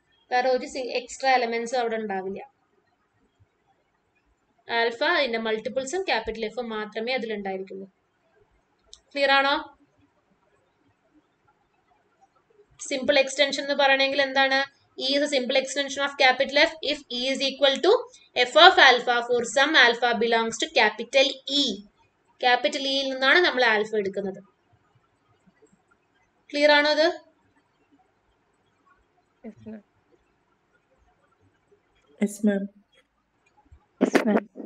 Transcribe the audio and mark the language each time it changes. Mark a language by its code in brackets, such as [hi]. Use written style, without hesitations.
[ml] വേറെ ഒരു എക്സ്ട്രാ എലമെന്റ്സും അവിടെ ഉണ്ടാവില്ല. ആൽഫ, അതിന്റെ മൾട്ടിപ്പിൾസും ക്യാപിറ്റൽ എഫും മാത്രമേ അതിലുണ്ടായിരിക്കുള്ളൂ. ക്ലിയർ ആണോ? സിമ്പിൾ എക്സ്റ്റെൻഷൻ എന്ന് പറയണമെങ്കിൽ എന്താണ്? [en] E is a simple extension of capital F if E is equal to F of alpha for some alpha belongs to capital E. [ml] Capital E നിന്നാണ് നമ്മൾ ആൽഫ എടുക്കുന്നത്. ക്ലിയർ ആണോ അത്? [en] Yes, ma'am. Yes, ma'am.